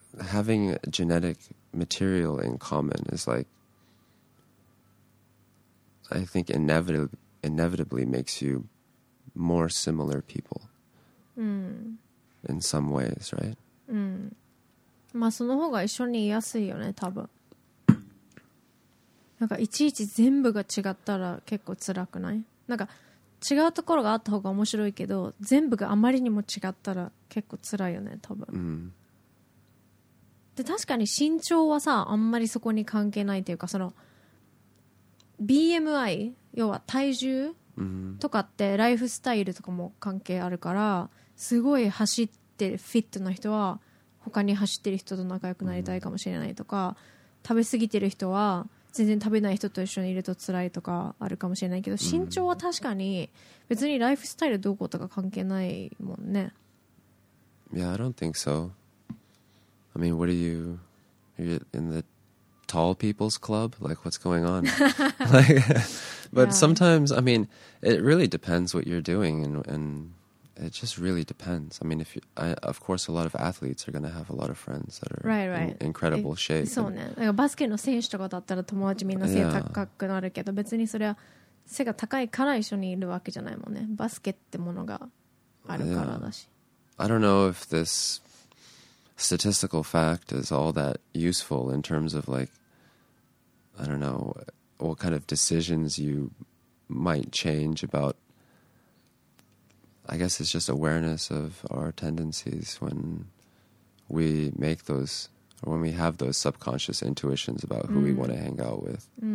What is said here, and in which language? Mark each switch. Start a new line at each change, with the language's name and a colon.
English: Having genetic material in common is like, I think inevitably makes you more similar people in some ways, right?
Japanese: まあその方が一緒にいやすいよね、多分。なんかいちいち全部が違ったら結構辛くない？なんか違うところがあった方が面白いけど、全部があまりにも違ったら結構辛いよね、多分。で確かに身長はさあんまりそこに関係ないというかその BMI 要は体重とかってライフスタイルとかも関係あるからすごい走ってるフィットな人は他に走ってる人と仲良くなりたいかもしれないとか食べ過ぎてる人は全然食べない人と一緒にいると辛いとかあるかもしれないけど身長は確かに別にライフスタイルどうこうとか関係ないもんね
English: Yeah, I don't think soI mean, what are you in the tall people's club? Like, what's going on? Sometimes, I mean, it really depends what you're doing, and it just really depends. I mean, of course, a lot of athletes are going to have a lot of friends that are incredible shape.
Japanese: そうね。なんかバスケの選手とかだったら友達みんな背高くなるけど、別にそれは背が高いから一緒にいるわけじゃないもんね。バスケってものがあるからだし。
English: I don't know if this... statistical fact is all that useful in terms of like I don't know what kind of decisions you might change about I guess it's just awareness of our tendencies when we make those or when we have those subconscious intuitions about who we want to hang out with